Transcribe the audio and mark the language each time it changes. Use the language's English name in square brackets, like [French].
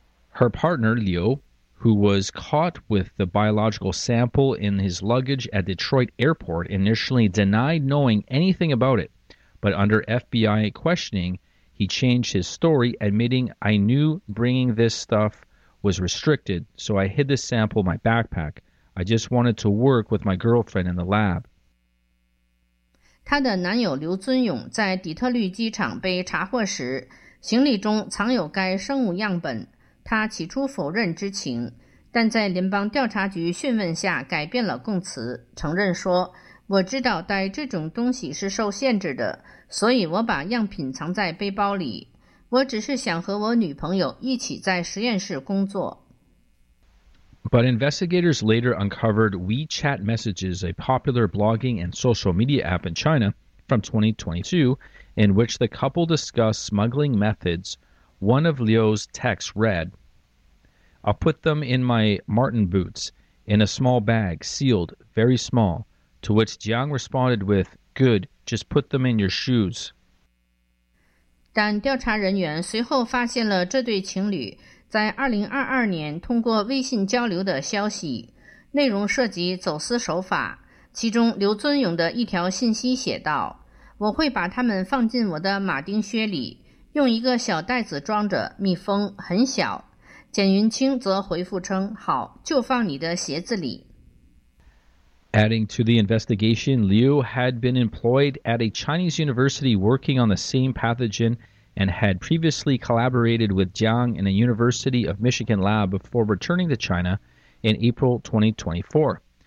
[English] Her partner, Liu,who was caught with the biological sample in his luggage at Detroit Airport, initially denied knowing anything about it. But under FBI questioning, he changed his story, admitting, I knew bringing this stuff was restricted, so I hid the sample in my backpack. I just wanted to work with my girlfriend in the lab. [Chinese] 她的男友刘尊勇在底特律机场被查获时，行李中藏有该生物样本。他起初否认知情，但在联邦调查局讯问下改变了供词，承认说，我知道带这种东西是受限制的，所以我把样品藏在背包里。我只是想和我女朋友一起在实验室工作。 [English] But investigators later uncovered WeChat messages, a popular blogging and social media app in China, from 2022, in which the couple discussed smuggling methods. One of Liu's texts read, I'll put them in my Martin boots, in a small bag, sealed, very small, to which Jiang responded with, good, just put them in your shoes. [Chinese] 但调查人员随后发现了这对情侣在2022年通过微信交流的消息，内容涉及走私手法，其中刘尊勇的一条信息写道，我会把它们放进我的马丁靴里，用一个小袋子装着，密封，很小。简云清则回复称，好，就放你的鞋子里。 [English] Adding to the investigation, Liu had been employed at a Chinese university working on the same pathogen and had previously collaborated with Jiang in a University of Michigan lab before returning to China in April 2024.